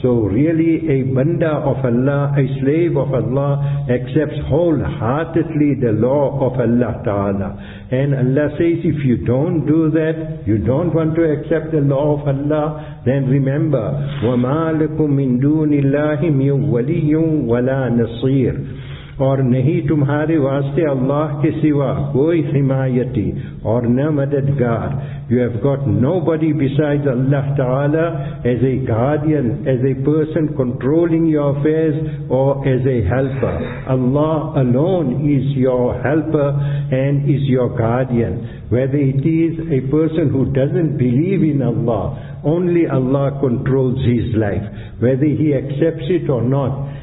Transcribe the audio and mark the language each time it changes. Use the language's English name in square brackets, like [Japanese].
[English] So really, a banda of Allah, a slave of Allah, accepts wholeheartedly the law of Allah Ta'ala. And Allah says, if you don't do that, you don't want to accept the law of Allah, then remember, [Arabic] وَمَا لَكُمْ مِن دُونِ اللَّهِ مِن وَلِيٌّ وَلَا نَصِيرٌ. [Urdu] اور نہیں تمہارے واسطے اللہ کے سوا کوئی حمایتی اور نہ مددگار. [English] You have got nobody besides Allah Ta'ala as a guardian, as a person controlling your affairs, or as a helper. Allah alone is your helper and is your guardian. Whether it is a person who doesn't believe in Allah, only Allah controls his life, whether he accepts it or not.